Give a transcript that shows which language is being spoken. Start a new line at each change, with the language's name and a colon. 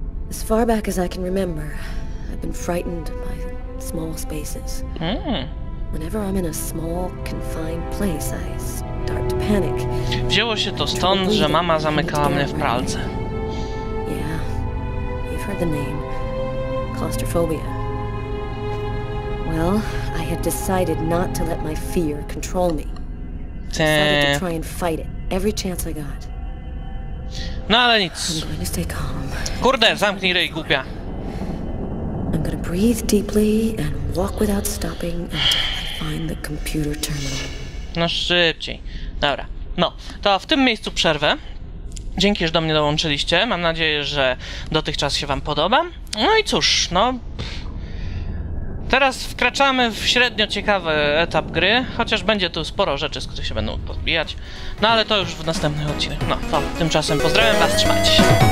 English: As far back as I can remember, I've been frightened by small spaces. Whenever I'm in a small, confined place, I start to panic.
Polish: Wzięło się to stąd, że mama zamykała mnie w pralce.
English: Yeah, you've heard the name. Claustrophobia. Well, I had decided not to let my fear control me. I decided to try and fight it every chance I got.
Polish: No ale nic.
English: I'm going to stay calm.
Polish: Kurde, zamknij rej, głupia.
English: I'm going to breathe deeply and walk without stopping until find the computer terminal.
Polish: No szybciej. Dobra. No, to w tym miejscu przerwę. Dzięki, że do mnie dołączyliście. Mam nadzieję, że dotychczas się wam podoba. No i cóż, no... Teraz wkraczamy w średnio ciekawy etap gry. Chociaż będzie tu sporo rzeczy, z których się będą podbijać. No ale to już w następnym odcinku. No, to tymczasem pozdrawiam was, trzymajcie się.